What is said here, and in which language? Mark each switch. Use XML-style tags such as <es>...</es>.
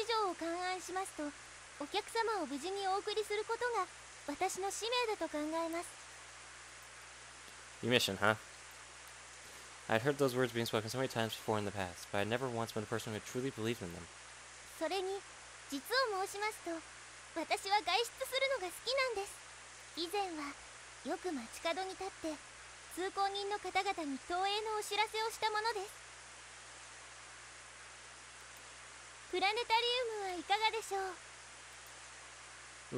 <ja>諸事情を勘案しますと、 お客様を無事にお送りすることが私の使命だと考えます。</ja> <en>Your mission, huh? I had heard those words being spoken so many times before in the past, but I had never once met a person who had truly believed in them.</en> <ja>それに、実を申しますと、 私は外出するのが好きなんです。以前はよく街角に立って通行人の方々に投影のお知らせをしたものです。プラネタリウムはいかがでしょう?</ja>